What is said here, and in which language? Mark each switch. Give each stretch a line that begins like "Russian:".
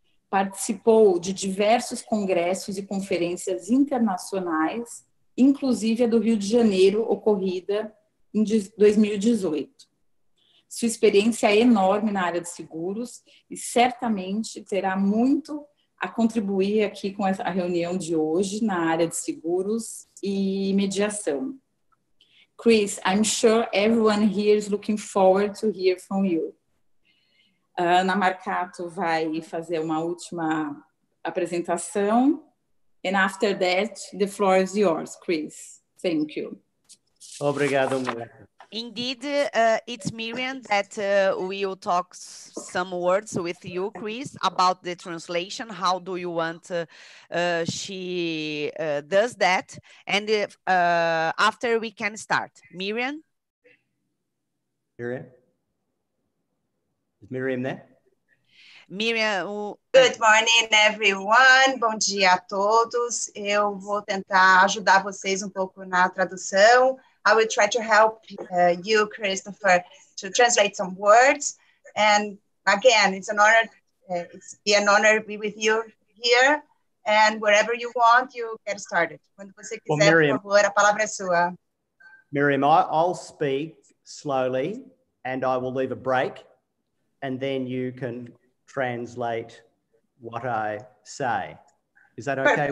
Portuguese: Participou de diversos congressos e conferências internacionais, inclusive a do Rio de Janeiro, ocorrida em 2018. Sua experiência é enorme na área de seguros e certamente terá muito a contribuir aqui com a reunião de hoje na área de seguros e mediação.
English: Chris, I'm sure everyone here is looking forward to hear from you.
Portuguese: Ana Marcato vai fazer uma última apresentação.
English: And after that, the floor is yours, Chris. Thank you.
Portuguese: Obrigado, Miriam.
English: Indeed, it's Miriam that we will talk some words with you, Chris, about the translation. How do you want she does that? And if, after we can start. Miriam? Miriam? Is Miriam there?
Portuguese: Miriam, o...
English: Good morning, everyone.
Portuguese: Bom dia a todos. Eu vou tentar ajudar vocês um pouco na tradução.
English: I will try to help you, Christopher, to translate some words. And again, it's an honor. It's an honor to be with you here. And wherever you want, you get started.
Portuguese: Quando você quiser, well, Miriam, por favor, a palavra é sua.
English: Miriam, I'll speak slowly, and I will leave a break, and then you can translate what I say. Is that okay?